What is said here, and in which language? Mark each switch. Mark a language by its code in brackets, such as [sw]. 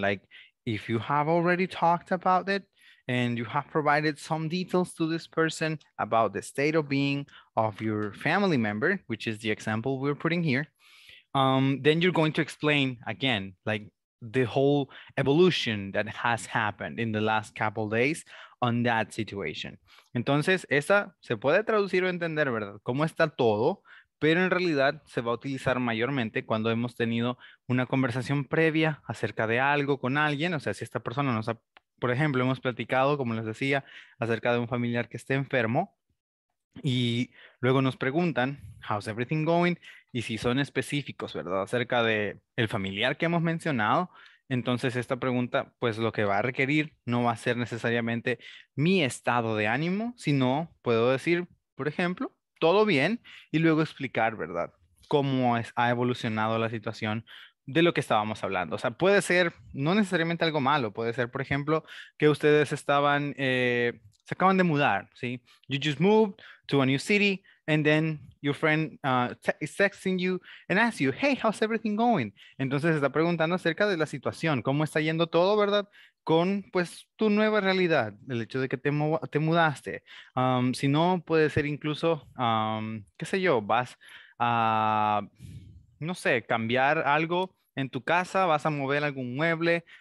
[en] Like if you have already talked about it and you have provided some details to this person about the state of being of your family member, which is the example we're putting here, then you're going to explain again, like the whole evolution that has happened in the last couple of days on that situation. [es] Entonces, esa se puede traducir o entender, ¿verdad? ¿Cómo está todo? Pero en realidad se va a utilizar mayormente cuando hemos tenido una conversación previa acerca de algo con alguien. O sea, si esta persona nos ha, por ejemplo, hemos platicado, como les decía, acerca de un familiar que esté enfermo. Y luego nos preguntan, [en] how's everything going? [es] Y si son específicos, ¿verdad? Acerca de el familiar que hemos mencionado. Entonces esta pregunta, pues lo que va a requerir no va a ser necesariamente mi estado de ánimo, sino puedo decir, por ejemplo, todo bien, y luego explicar, ¿verdad? Cómo es, ha evolucionado la situación de lo que estábamos hablando. O sea, puede ser, no necesariamente algo malo, puede ser, por ejemplo, que ustedes estaban, se acaban de mudar, ¿sí? [en] You just moved to a new city, and then your friend is texting you and asks you, hey, how's everything going? [es] Entonces está preguntando acerca de la situación, cómo está yendo todo, ¿verdad? Con, pues, tu nueva realidad, el hecho de que te mudaste. Si no, puede ser incluso, qué sé yo, vas a, no sé, cambiar algo en tu casa, vas a mover algún mueble.